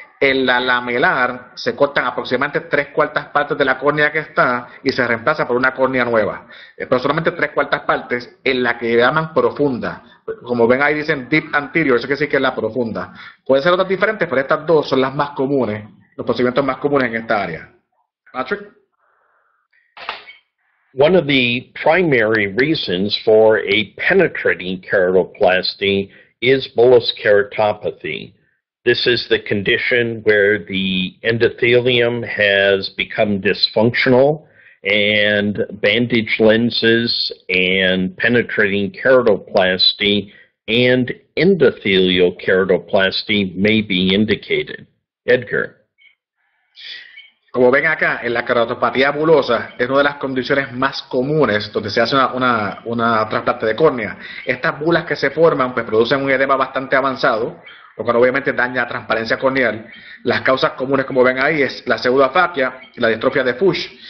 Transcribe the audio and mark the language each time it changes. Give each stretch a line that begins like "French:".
Spanish: En la lamelar se cortan aproximadamente tres cuartas partes de la córnea que está y se reemplaza por una córnea nueva. Pero solamente tres cuartas partes en la que llaman profunda. Como ven ahí dicen
English: deep anterior,
Spanish: eso quiere decir que es la profunda. Pueden ser otras diferentes, pero estas dos son las más comunes, los procedimientos más comunes en esta área. Patrick.
English: One of the primary reasons for a penetrating keratoplasty is bullous keratopathy. This is the condition where the endothelium has become dysfunctional and bandage lenses and penetrating keratoplasty and endothelial keratoplasty may be indicated. Edgar.
Spanish: Como ven acá, en la queratopatía bulosa es una de las condiciones más comunes donde se hace una trasplante de córnea. Estas bulas que se forman pues producen un edema bastante avanzado, lo cual obviamente daña la transparencia corneal. Las causas comunes, como ven ahí, es la pseudofaquia y la distrofia de Fuchs.